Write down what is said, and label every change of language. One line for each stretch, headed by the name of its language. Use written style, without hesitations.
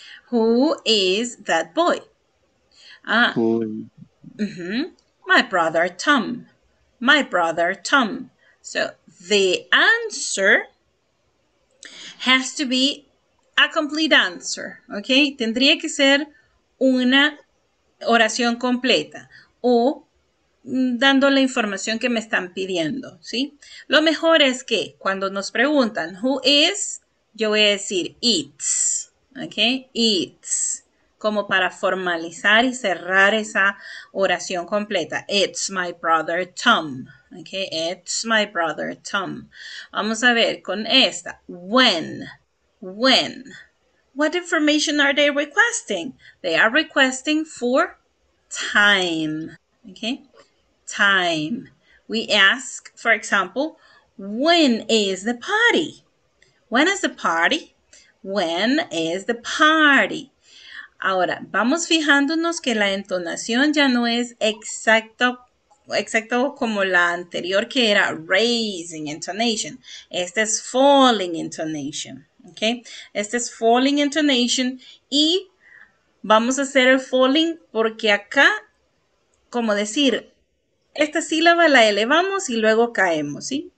English: Who is that boy? My brother Tom. My brother Tom. So the answer has to be a complete answer. Okay?
Spanish: Tendría que ser una oración completa. O dando la información que me están pidiendo, ¿sí? Lo mejor es que cuando nos preguntan who is, yo voy a decir it's, ¿ok? It's, como para formalizar y cerrar esa oración completa.
English: It's my brother Tom, ¿ok? It's my brother Tom.
Spanish: Vamos a ver con esta. When.
English: What information are they requesting? They are requesting for time, ¿ok? Time. We ask, for example, when is the party? When is the party? When is the party?
Spanish: Ahora, vamos fijándonos que la entonación ya no es exacto como la anterior que era raising intonation. Esta es falling intonation.
English: Okay?
Spanish: Esta es falling intonation y vamos a hacer el falling porque acá, como decir, esta sílaba la elevamos y luego caemos, ¿sí?